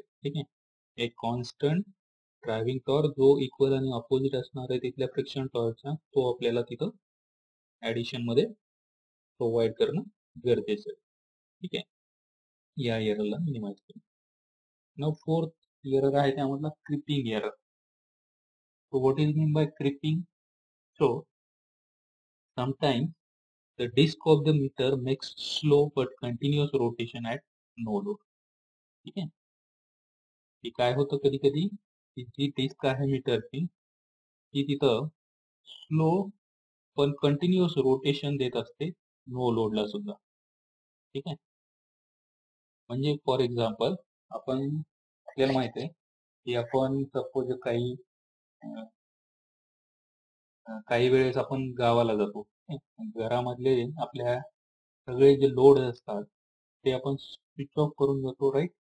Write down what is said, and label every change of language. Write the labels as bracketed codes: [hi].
[mr] ठीक आहे, एक कॉन्स्टंट ड्रायव्हिंग टॉर्क जो इक्वल आणि अपोजिट असणार आहे तिथल्या फ्रिक्शन टॉर्कचा तो आपल्याला तिथं ऍडिशन मध्ये प्रोव्हाइड करणं गरजेचं आहे. ठीक आहे, या एररला मिनिमाइज करू. नाऊ फोर्थ एरर आहे त्यामधला creeping error. [en] So what is mean by creeping? So sometimes the disc of the meter makes slow but continuous rotation at no load. [mr] ठीक आहे, काय होतं कधी कधी जी डिस्क आहे मीटरची ती तिथं स्लो पण कंटिन्युअस रोटेशन देत असते नो लोडला सुद्धा. ठीक आहे, म्हणजे फॉर एक्झाम्पल आपण आपल्याला माहित आहे की आपण सपोज काही काही वेळेस आपण गावाला जातो, घरामधले आपल्या सगळे जे लोड असतात ते आपण स्विच ऑफ करून जातो, राईट?